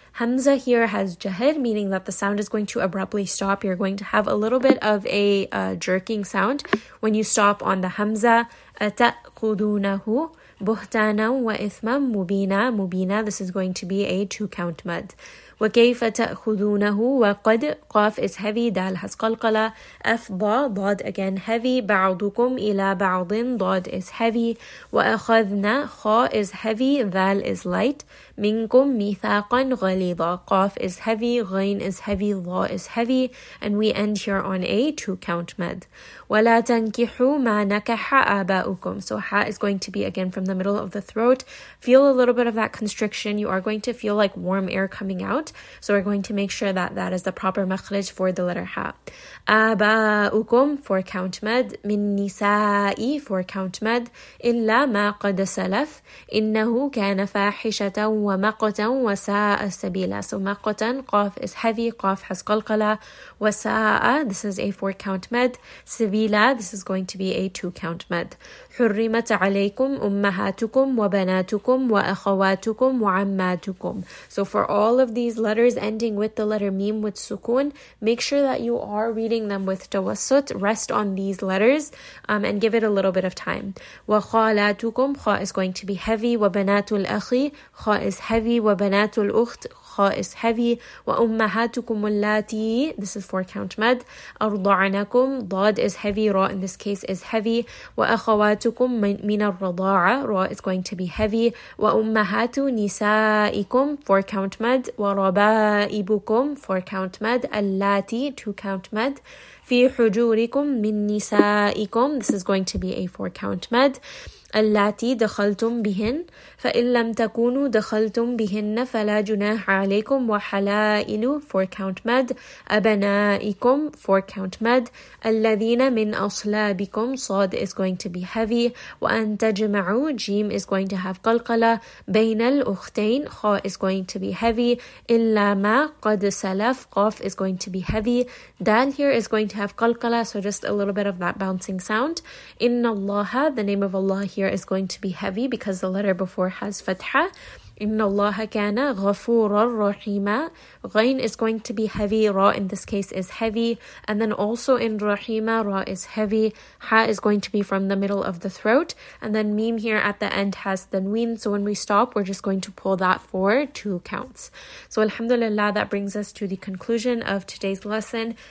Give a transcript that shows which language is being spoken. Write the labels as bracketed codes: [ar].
[en] Hamza here has jahir, meaning that the sound is going to abruptly stop. You're going to have a little bit of a jerking sound when you stop on the hamza. [ar] أَتَأْخُذُونَهُ. بُهْتَانًا وَإِثْمًا مُبِينًا. [en] مُبِينًا, this is going to be a two-count mad. [ar] وَكَيْفَ تَأْخُذُونَهُ وَقَدْ قَافْ [en] is heavy, [ar] دَالْ has قَلْقَلَ. أَفْضَى, ضَاد [en] again heavy. [ar] بَعْضُكُمْ إِلَى بَعْضٍ, ضَاد [en] is heavy. وَأَخَذْنَا, خَا is heavy, ذَالْ is light. [ar] مِنْكُمْ مِيثَاقًا غَلِيظًا, [en] قَافْ is heavy, غَيْن is heavy, ضَا is heavy. And we end here on a two-count mad. [ar] وَلَا تَنْكِحُوا مَا نَكَحَ آبَاؤُكُمْ. [en] So ha is going to be again from the middle of the throat. Feel a little bit of that constriction. You are going to feel like warm air coming out. So we're going to make sure that that is the proper makhraj for the letter ha. آبَاؤُكُمْ for count mad. [ar] مِنْ نِسَائِ [en] for count mad. [ar] إِلَّا مَا قَدْ سَلَفْ إِنَّهُ كَانَ فَاحِشَةً وَمَقْتًا وَسَاءَ سَبِيلًا. [en] So مَقْتًا, قَاف is heavy, قَاف has قَلْقَلَ. وَسَاءَ, this is a four count mad. سبيلا, this is going to be a two count mad. [ar] حرمت عليكم أمهاتكم وبناتكم وأخواتكم وعماتكم. [en] So for all of these letters ending with the letter meme with sukun, make sure that you are reading them with tawassut. Rest on these letters and give it a little bit of time. وخالاتكم, خا is going to be heavy. [ar] وبنات الأخي, خا [en] is heavy. [ar] وبنات الأخت, خَا is heavy. وَأُمَّهَاتُكُمُ اللَّاتِي, [en] this is four count mad. أَرْضَعْنَكُمْ, ضَاد is heavy, رَا in this case is heavy. [ar] وَأَخَوَاتُكُمْ مِنَ الرَّضَاعَ, [en] رَا is going to be heavy. وَأُمَّهَاتُ نِسَائِكُمْ, four count mad. وَرَبَائِبُكُمْ, four count mad. اللَّاتِي, two count mad. [ar] فِي حُجُورِكُمْ مِن نِسَائِكُمْ, [en] this is going to be a four count mad. [ar] اللاتي دخلتم بهن فإن لم تكونوا دخلتم بهن فلا جناح عليكم وحلائل [en] for count mad [ar] أبنائكم for count mad الذين من أصلابكم صاد [en] is going to be heavy [ar] وأن تجمعوا جيم [en] is going to have [ar] قلقلة بين الأختين خاء is going to be heavy إلا ما قد سلف قاف is going to be heavy [en] دال here is going to have قلقلة so just a little bit of that bouncing sound [ar] إن الله [en] the name of Allah here is going to be heavy because the letter before has fatha. [ar] إِنَّ اللَّهَ كَانَ غَفُورًا رَحِيمًا غَيْن [en] is going to be heavy. Ra in this case is heavy. And then also in رَحِيمًا, Ra is heavy. Ha is going to be from the middle of the throat. And then Mim here at the end has the Nween. So when we stop, we're just going to pull that for two counts. So Alhamdulillah, that brings us to the conclusion of today's lesson.